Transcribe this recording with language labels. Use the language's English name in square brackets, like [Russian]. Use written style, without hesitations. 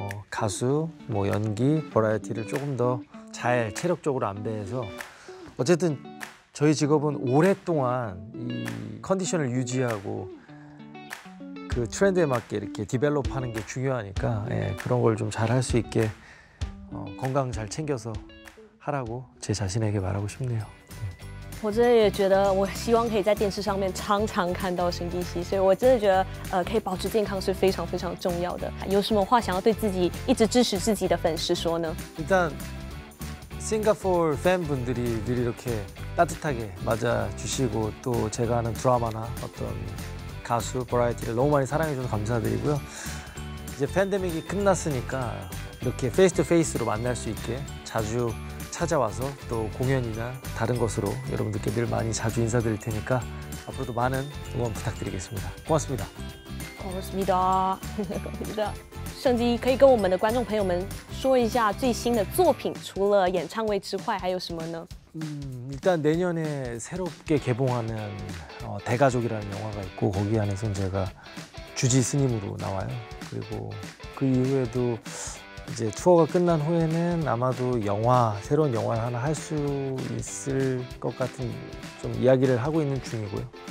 [Korean] 가수, 뭐 연기, 버라이어티를 조금 더 잘 체력적으로 안배해서 어쨌든 저희 직업은 오랫동안 이 컨디션을 유지하고 그 트렌드에 맞게 이렇게 디벨롭하는 게 중요하니까 예, 그런 걸 좀 잘 할 수 있게 건강 잘 챙겨서 하라고 제 자신에게 말하고 싶네요. [Chinese] 我真的也觉得我希望可以在电视上面常常看到申基希，所以我真的觉得可以保持健康是非常非常重要的。有什么话想要对自己一直支持自己的粉丝说呢？ [Korean] 일단 싱가포르 팬분들이 늘 이렇게 따뜻하게 맞아주시고 또 제가 하는 드라마나 어떤 가수 버라이어티를 너무 많이 사랑해줘서 감사드리고요. 이제 팬데믹이 끝났으니까 이렇게 페이스투페이스로 만날 수 있게 자주 찾아와서 또 공연이나 다른 것으로 여러분들께 늘 많이 자주 인사드릴 테니까 앞으로도 많은 응원 부탁드리겠습니다. 고맙습니다. 고맙습니다. 고맙습니다. [Chinese] 성지可以跟我们的观众朋友们说一下最新的作品除了演唱会之外还有什么呢? [Korean] 일단 내년에 새롭게 개봉하는 대가족이라는 영화가 있고 거기 안에서 제가 주지 스님으로 나와요. 그리고 그 이후에도 이제 투어가 끝난 후에는 아마도 영화, 새로운 영화를 하나 할 수 있을 것 같은 좀 이야기를 하고 있는 중이고요.